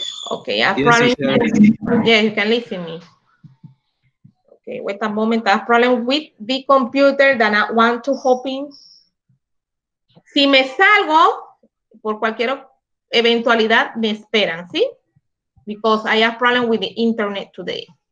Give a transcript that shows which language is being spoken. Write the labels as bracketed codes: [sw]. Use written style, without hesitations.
[en] Okay, I probably yes, you can listen to me. Okay, wait a moment. I have a problem with the computer that I want to hoping. [es] Si me salgo, por cualquier eventualidad, me esperan, ¿sí? [en] Because I have a problem with the internet today.